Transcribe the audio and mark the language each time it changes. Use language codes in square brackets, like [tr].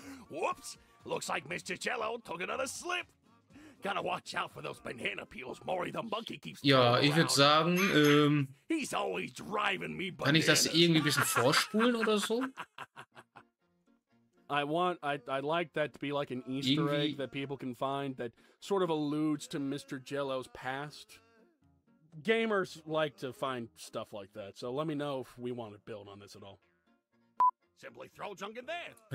[en] Whoops. Looks like Mr. Jello took another slip. Gotta watch out for those banana peels. Maury the monkey keeps... [de] Ja, ich würde sagen, [en] he's always driving me bananas. [de] Kann ich das irgendwie ein bisschen vorspulen oder so? [en] I'd like that to be like an Easter egg that people can find that sort of alludes to Mr. Jello's past. Gamers like to find stuff like that, so let me know if we want to build on this at all. Simply throw junk in there.